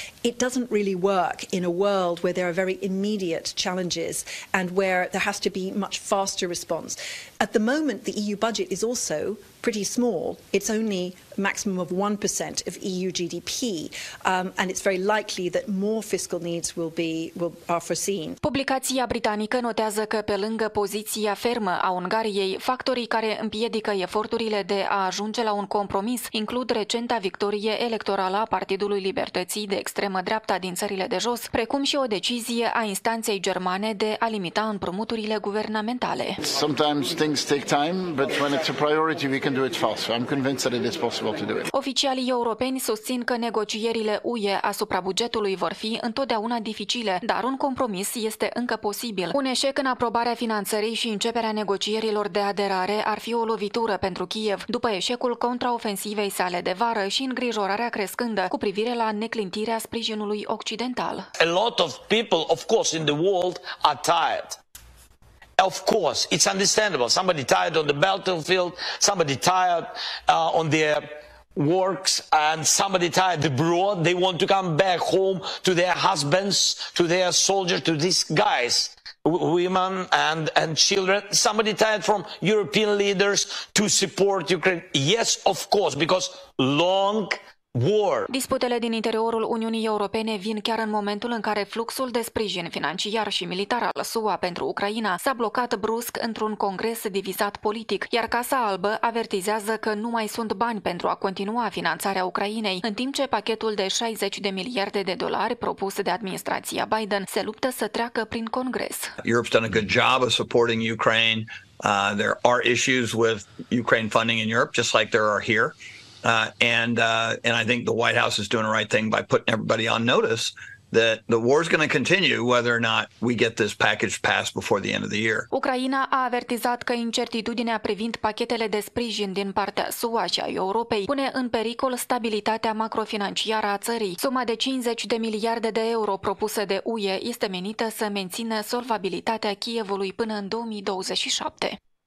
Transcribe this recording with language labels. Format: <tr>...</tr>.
<en>it doesn't really work in a world where there are very immediate challenges and where there has to be much faster response. At the moment, the EU budget is also pretty small. It's only a maximum of 1% of EU GDP, and it's very likely that more fiscal needs are foreseen.</en> <ro>Publicația britanică notează că pe lângă poziția fermă a Ungariei, factorii care împiedică eforturile de a ajunge la un compromis includ recenta victorie electorală a Partidului Libertății de extremă dreapta din țările de jos, precum și o decizie a instanței germane de a limita împrumuturile guvernamentale.</ro> <en>Sometimes things take time, but when it's a priority, we can do it fast. I'm convinced that it is possible to do it.</en> <ro>Oficialii europeni susțin că negocierile UE asupra bugetului vor fi întotdeauna dificile, dar un compromis este încă posibil. Un eșec în aprobarea finanțării și începerea negocierilor de aderare ar fi o lovitură pentru Kiev, după eșecul contraofensivei sale de vară și îngrijorarea crescândă cu privire la neclintirea sprijinului occidental.</ro> <en>A lot of people, of course, in the world are tired. Of course, it's understandable. Somebody tired on the battlefield, somebody tired on their works, and somebody tired abroad. They want to come back home to their husbands, to their soldiers, to these guys, women and children. Somebody tired from European leaders to support Ukraine. Yes, of course, because long war.</en> <ro>Disputele din interiorul Uniunii Europene vin chiar în momentul în care fluxul de sprijin financiar și militar al SUA pentru Ucraina s-a blocat brusc într-un congres divizat politic, iar Casa Albă avertizează că nu mai sunt bani pentru a continua finanțarea Ucrainei, în timp ce pachetul de 60 de miliarde de dolari propus de administrația Biden se luptă să treacă prin congres.</ro> <en>Europe's done a good job of supporting Ukraine. There are issues with Ukraine funding in Europe, just like there are here. And I think the White House is doing the right thing by putting everybody on notice that the war is going to continue whether or not we get this package passed before the end of the year.</en> <ro>Ucraina a avertizat că incertitudinea privind pachetele de sprijin din partea SUA și a Europei pune în pericol stabilitatea macrofinanciară a țării. Suma de 50 de miliarde de euro propusă de UE este menită să mențină solvabilitatea Kievului până în 2027.</ro>